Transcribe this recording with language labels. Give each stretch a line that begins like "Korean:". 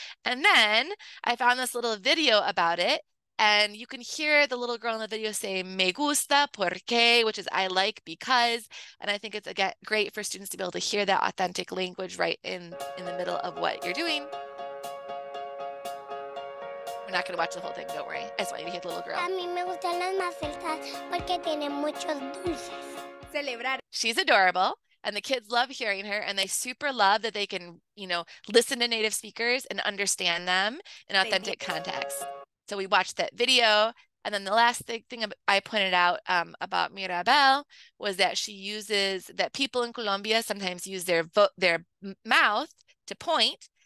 English: And then I found this little video about it. And you can hear the little girl in the video say,
Spanish: me gusta, porque,
English: which is I like, because. And I think it's great for students to be able to hear that authentic language right in the middle of what you're doing. I'm not going to watch the whole thing, don't worry. I just want you to hear the little girl.
Spanish: A mí me gustan las macetas porque tienen muchos dulces. Celebrar.
English: She's adorable, and the kids love hearing her, and they super love that they can, you know, listen to native speakers and understand them in authentic context. So we watched that video. And then the last thing I pointed out about Mirabel was that she uses, that people in Colombia sometimes use their mouth to point.